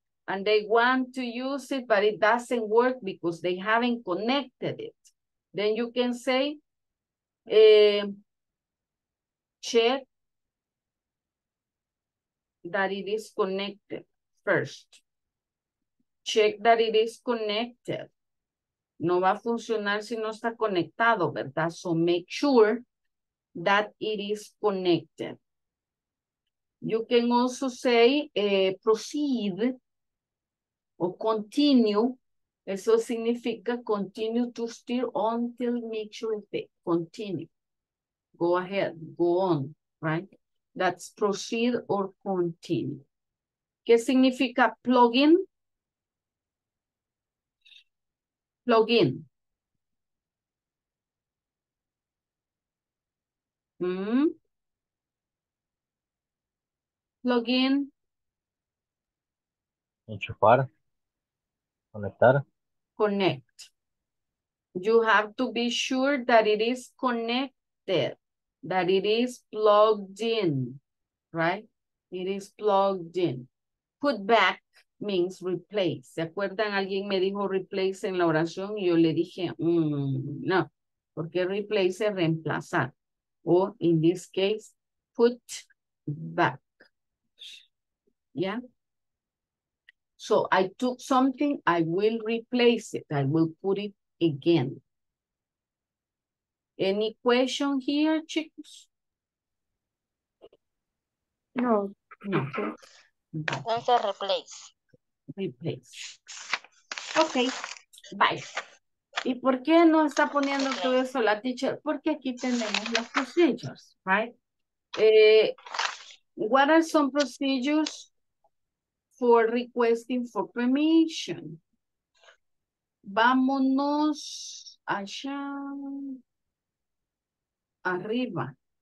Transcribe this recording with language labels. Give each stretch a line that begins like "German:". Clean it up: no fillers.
English: And they want to use it, but it doesn't work because they haven't connected it. Then you can say, check that it is connected first. Check that it is connected.
Spanish: No va a funcionar si no está conectado, ¿verdad?
English: So make sure that it is connected. You can also say proceed or continue. Eso significa continue to steer until make sure it continue. Go ahead, go on, right? That's proceed or continue.
Spanish: ¿Qué significa plug in?
English: Plug in. Mm-hmm. Plug in.
Spanish: Enchufar. Conectar.
English: Connect. You have to be sure that it is connected, that it is plugged in, right? It is plugged in. Put back means replace. ¿Se acuerdan?
Spanish: Alguien me dijo replace en la oración y yo le dije, no.
English: Porque replace es reemplazar. O, in this case, put back. Yeah? So, I took something, I will replace it. I will put it again. Any question here, chicos?
Spanish: No. No. Entonces, replace.
English: Replace. Ok, bye.
Spanish: ¿Y por qué no está poniendo todo eso la teacher? Porque aquí tenemos los procedures, right?
English: What are some procedures for requesting for permission?
Spanish: Vámonos allá arriba.